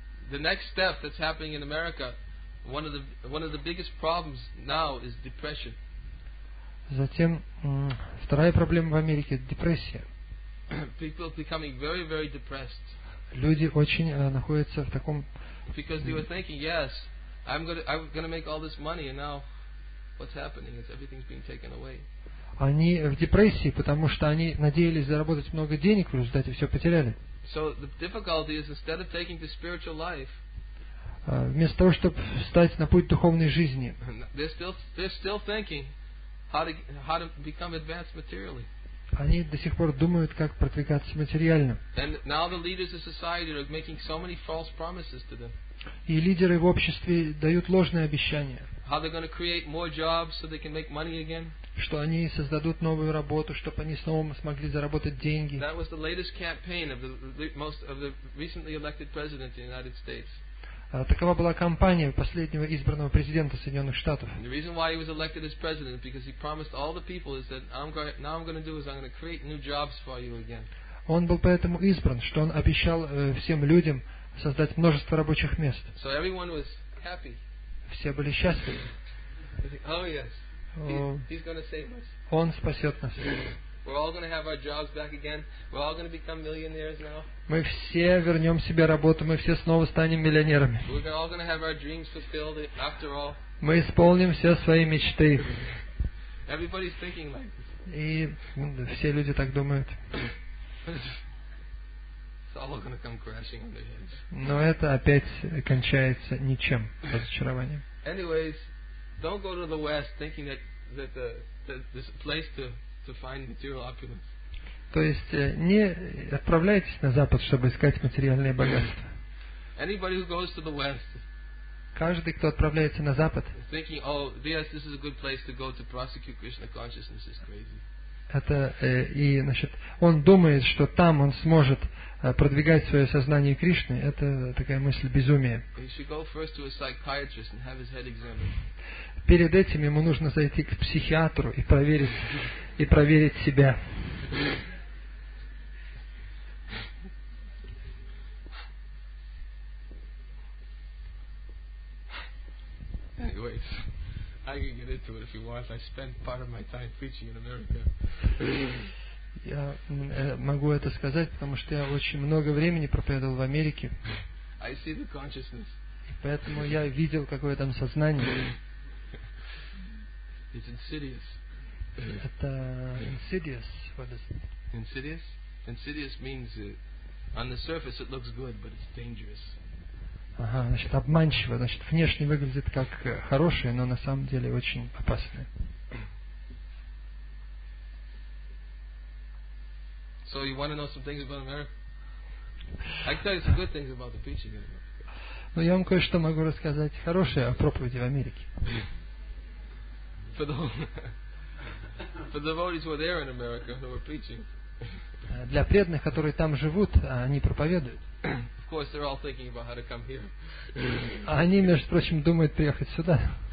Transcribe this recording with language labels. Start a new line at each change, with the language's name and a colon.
English: The next step that's happening in America, one of the biggest problems now is depression.
Russian: Затем вторая проблема в Америке – депрессия.
English: Very, very depressed.
Russian: Люди очень находятся в таком...
English: Because they were thinking, yes, I'm gonna make all this money, and now what's happening? It's everything's being taken away.
Russian: Они в депрессии, потому что они надеялись заработать много денег, в результате все потеряли.
English: So the difficulty is, instead of taking the spiritual life,
Russian: вместо того, чтобы встать на путь духовной жизни,
English: they're still thinking, How to become advanced materially.
Russian: Они до сих пор думают, как продвигаться материально.
English: And now the leaders of society are making so many false promises to them.
Russian: И лидеры в обществе дают ложные обещания.
English: How they're going to create more jobs so they can make money again?
Russian: Что они создадут новую работу, чтобы они снова смогли заработать деньги.
English: That was the latest campaign of the recently elected president in the United States.
Russian: Такова была кампания последнего избранного президента Соединенных Штатов.
English: The reason why he was elected as president because he promised all the people is that I'm going to create new jobs for you again.
Russian: Он был поэтому избран, что он обещал всем людям создать множество рабочих мест.
English: So everyone was happy.
Russian: Все были счастливы.
English: Oh yes. He's going to save us.
Russian: Он спасет нас.
English: We're all going to have our jobs back again. We're all going to become millionaires now.
Russian: Мы все вернем себе работу. Мы все снова станем миллионерами.
English: We're all going to have our dreams fulfilled after all.
Russian: Мы исполним все свои мечты.
English: Everybody's thinking like this.
Russian: И все люди так думают.
English: It's all going to come crashing on their heads.
Russian: Но это опять кончается ничем, разочарованием.
English: Anyways, don't go to the West thinking that this place to find material opulence.
Russian: То есть не отправляйтесь на Запад, чтобы искать материальные богатства.
English: Anybody who goes to the West.
Russian: Каждый, кто отправляется на Запад.
English: Thinking, oh, yes, this is a good place to go to prosecute Krishna consciousness is crazy.
Russian: Это и значит, он думает, что там он сможет продвигать свое сознание Кришны. Это такая мысль безумия.
English: He should go first to a psychiatrist and have his head examined.
Russian: Перед этим ему нужно зайти к психиатру и проверить себя.
English: Anyways, I can get into it if you want. I spend part of my time preaching in America.
Russian: Я могу это сказать, потому что я очень много времени проповедовал в Америке.
English: I see the consciousness.
Russian: Поэтому я видел, какое там сознание.
English: It's insidious.
Russian: Это
English: insidious. What is it? Insidious? Insidious means on the surface it looks good, but it's dangerous.
Russian: Ага, значит, обманчиво. Значит, внешне выглядит как хорошее, но на самом деле очень опасное.
English: So you want to know some things about America? I can tell you some good things about the preaching in America.
Russian: Ну, я вам кое-что могу рассказать хорошее о проповеди в Америке.
English: For the devotees who are there in America who are preaching.
Russian: Для преданных, которые там живут, они проповедуют.
English: Of course, they're all thinking about how to come here.
Russian: Они, между прочим, думают приехать сюда.